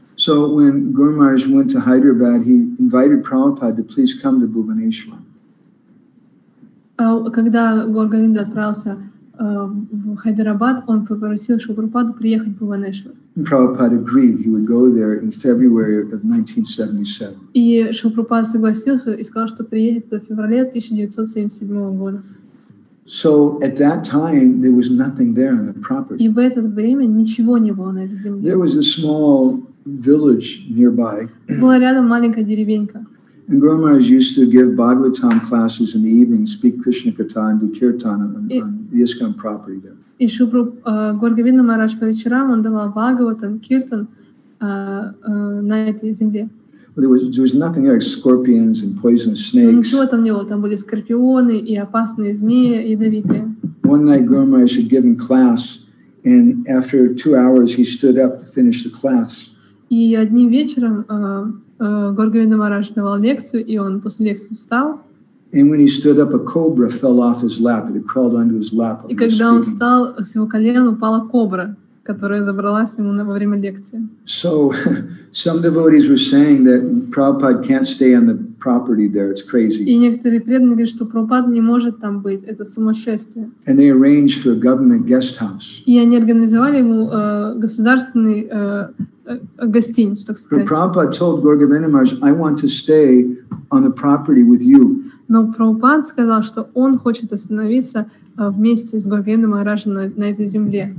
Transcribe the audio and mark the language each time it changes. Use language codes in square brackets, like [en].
[en] So when Guru Maharaj went to Hyderabad, he invited Prabhupada to please come to Bhubaneswar. [ru] Когда Гуру Говинда отправился в Хайдарабад, он попросил Шрилу Прабхупаду приехать в Бхубанешвар. [en] Prabhupada agreed he would go there in February of 1977. [ru] И Шрилу Прабхупада согласился и сказал, что приедет в феврале 1977 года. [en] So at that time there was nothing there on the property. [ru] И в это время ничего не было на этой земле. [en] There was a small village nearby. [ru] Была рядом маленькая деревенька. [en] And Guru Maharaj used to give Bhagavatam classes in the evening, speak Krishna Katha and do kirtan on the ISKCON property there. [ru] И Шрила Говинда Махарадж по вечерам он давал Бхагаватам, киртан на этой земле. [en] There was nothing there except scorpions and poisonous snakes. [ru] Ничего там не было, там были скорпионы и опасные змеи, ядовитые. [en] One night Guru Maharaj had given class, and after 2 hours he stood up to finish the class. [ru] И одним вечером Гуру Говинда Махарадж давал лекцию, и он после лекции встал. [en] And when he stood up, a cobra fell off his lap, and it crawled onto his lap. [ru] И когда он встал, с его колена упала кобра, которая забралась ему во время лекции. [en] So some devotees were saying that Prabhupada can't stay on the property there. It's crazy. [ru] И некоторые преданные говорят, что Прабхупада не может там быть. Это сумасшествие. [en] And they arranged for a government guest house. [ru] И они организовали ему государственный гостиницу, так сказать. [en] But Prabhupada told Guru Govinda Maharaj, I want to stay on the property with you. [ru] Но Прабхупад сказал, что он хочет остановиться вместе с Гуру Говинда Махараджем на этой земле.